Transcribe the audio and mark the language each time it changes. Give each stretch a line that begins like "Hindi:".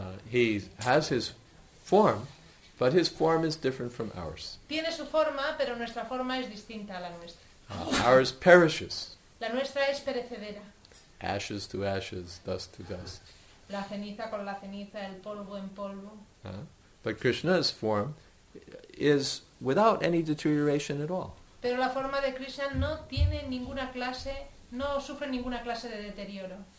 English: He has his form, but his form is different from ours.
Spanish: Tiene su forma, pero nuestra forma es distinta a la nuestra.
English: Ours perishes.
Spanish: La nuestra es perecedera.
English: Ashes to ashes, dust to dust.
Spanish: La ceniza con la ceniza, el polvo en polvo.
English: But Krishna's form is without any deterioration at all.
Spanish: Pero la forma de Krishna no tiene ninguna clase, no sufre ninguna clase de deterioro.